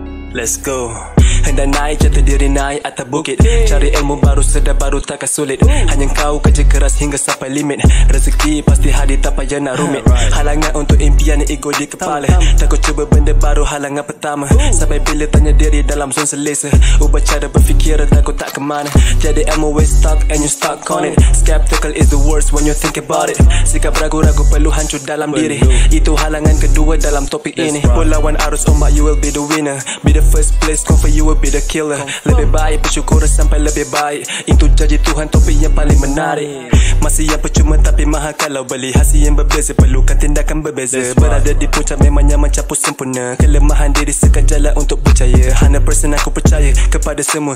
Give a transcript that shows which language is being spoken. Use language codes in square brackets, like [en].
[en] Let's go. [ms] Hendak naik, jatuh diri naik atas bukit. Cari ilmu baru, sedar baru takkan sulit. Hanya kau kerja keras hingga sampai limit. Rezeki pasti hadir, tak payah nak rumit. Halangan untuk impian, ego di kepala. Takut cuba benda baru, halangan pertama. Sampai bila tanya diri dalam zon selesa. Ubah cara berfikir, takut tak ke mana. Jadi ilmu [en] we're stuck and you stuck on it. Skeptical is the worst when you think about it. [ms] Sikap ragu-ragu perlu hancur dalam diri. Itu halangan kedua dalam topik ini. Berlawan arus ombak, [en] you will be the winner. Be the first place, come for you will be the killer. [ms] Lebih baik bersyukur sampai lebih baik. Itu janji Tuhan, topi yang paling menarik. Masih yang percuma tapi mahal kalau beli. Hasil yang berbeza, perlukan tindakan berbeza. Berada di puncak memang nyaman capu sempurna. Kelemahan diri sekat jalan untuk percaya. 100% aku percaya kepada semua.